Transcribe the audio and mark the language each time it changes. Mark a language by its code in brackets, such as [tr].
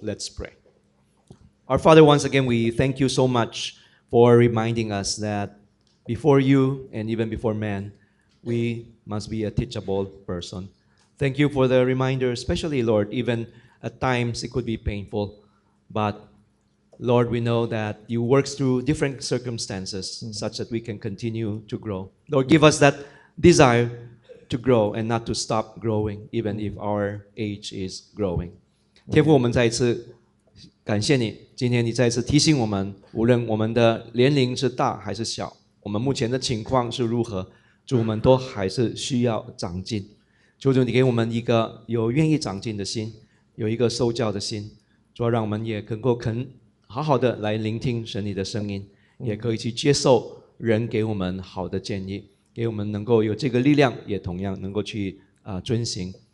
[en] Let's pray. Our Father, once again, we thank you so much for reminding us that before you and even before man,we must be a teachable person. Thank you for the reminder, especially, Lord, even at times it could be painful. But, Lord, we know that you work through different circumstances such that we can continue to grow. Lord, give us that desire to grow and not to stop growing, even if our age is growing. [zh] 天父，我们再一次感谢你，今天你再一次提醒我们，无论我们的年龄是大还是小，我们目前的情况是如何，主，我们都还是需要长进。求主你给我们一个有愿意长进的心，有一个受教的心，主，让我们也能够肯好好的来聆听神你的声音，也可以去接受人给我们好的建议，给我们能够有这个力量，也同样能够去遵行。